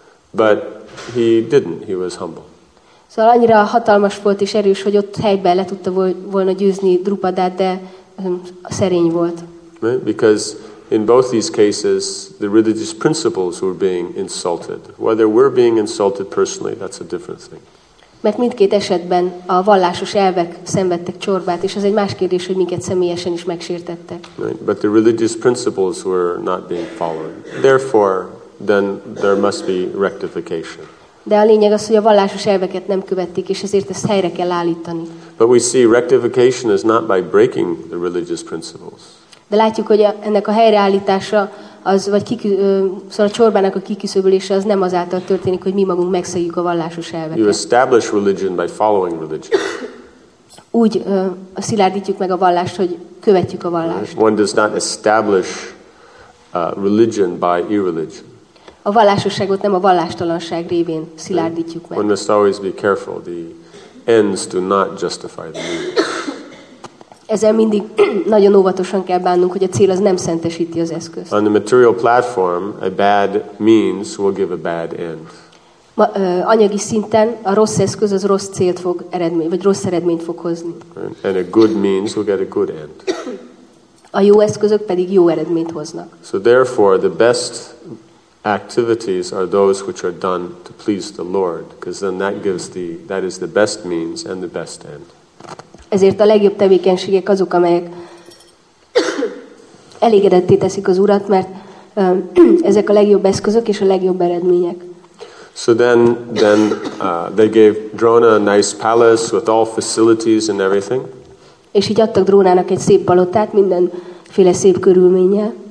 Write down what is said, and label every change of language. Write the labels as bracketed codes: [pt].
[en] But he didn't, he was humble. [hu] Szóval annyira hatalmas volt és erős, hogy ott helyben le tudta volna győzni Drupadát, de szerény volt. [en] Right? Because in both these cases, the religious principles were being insulted. Whether we're being insulted personally, that's a different thing. [hu] Mert mindkét esetben a vallásos elvek szenvedtek csorbát, és ez egy más kérdés, hogy minket személyesen is megsértettek. [en] Right? But the religious principles were not being followed. Therefore, then there must be rectification. [hu] De a lényeg az, hogy a vallásos elveket nem követték, és ezért ezt helyre kell állítani. [en] But we see rectification is not by breaking the religious principles. [hu] De látjuk, hogy ennek a helyreállítása, az, vagy szóval a csorbának a kiküszöbölése az nem azáltal történik, hogy mi magunk megszegjük a vallásos elveket. [en] You establish religion by following religion. [hu] Úgy szilárdítjuk meg a vallást, hogy követjük a vallást. [en] One does not establish religion by irreligion. [hu] A vallásosságot nem a vallástalanság révén szilárdítjuk meg. [en] One must always be careful. The ends do not justify the means. [hu] Ezzel mindig nagyon óvatosan kell bánnunk, hogy a cél az nem szentesíti az eszközt. [en] On the material platform, a bad means will give a bad end. [hu] Anyagi szinten a rossz eszköz az rossz célt fog eredmény, vagy rossz eredményt fog hozni. [en] And a good means will get a good end. [hu] A jó eszközök pedig jó eredményt hoznak. [en] So therefore, the best activities are those which are done to please the Lord, because then that gives the that is the best means and the best end. [hu] Ezért a legjobb tevékenységek azok, amelyek elégedetté teszik az Urat, mert ezek a legjobb eszközök és a legjobb eredmények. [en] So then they gave Drona a nice palace with all facilities and everything. [hu] És így adtak Drónának egy szép palotát, mindenféle szép körülménnyel.